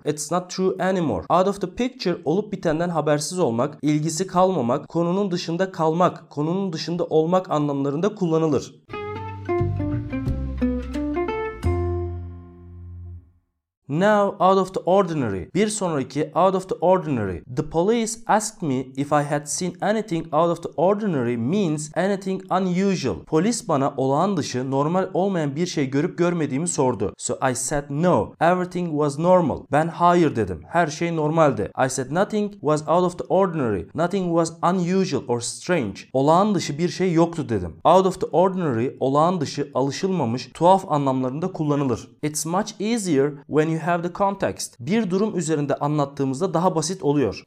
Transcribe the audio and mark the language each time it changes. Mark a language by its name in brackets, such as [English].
[English] It's not true anymore. [Turkish] Out of the picture olup bitenden habersiz olmak, ilgisi kalmamak, konunun dışında kalmak, konunun dışında olmak anlamlarında kullanılır. [English] Now out of the ordinary. [Turkish] Bir sonraki [English] out of the ordinary. The police asked me if I had seen anything out of the ordinary means anything unusual. [Turkish] Polis bana olağan dışı, normal olmayan bir şey görüp görmediğimi sordu. [English] So I said no. Everything was normal. [Turkish] Ben hayır dedim. Her şey normaldi. [English] I said nothing was out of the ordinary. Nothing was unusual or strange. [Turkish] Olağan dışı bir şey yoktu dedim. Out of the ordinary, olağan dışı, alışılmamış, tuhaf anlamlarında kullanılır. [English] It's much easier when you have the context. [Turkish] Bir durum üzerinde anlattığımızda daha basit oluyor.